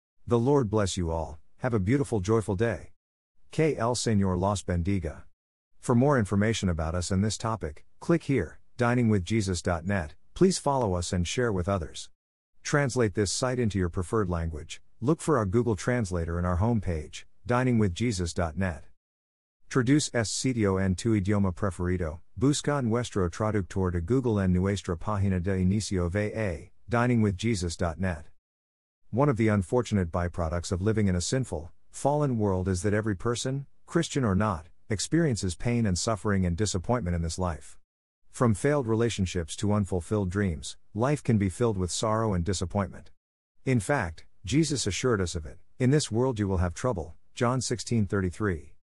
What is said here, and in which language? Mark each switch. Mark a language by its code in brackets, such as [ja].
[en] The Lord bless you all, have a beautiful, joyful day. [es] Que el Señor los bendiga. [en] For more information about us and this topic, click here, diningwithjesus.net, please follow us and share with others. Translate this site into your preferred language, look for our Google Translator in our homepage, diningwithjesus.net. [es] Traduce este sitio en tu idioma preferido, busca nuestro traductor de Google en nuestra página de inicio VA, diningwithjesus.net. [en] One of the unfortunate byproducts of living in a sinful, fallen world is that every person, Christian or not, experiences pain and suffering and disappointment in this life. From failed relationships to unfulfilled dreams, life can be filled with sorrow and disappointment. In fact, Jesus assured us of it, "In this world you will have trouble," John 16:33.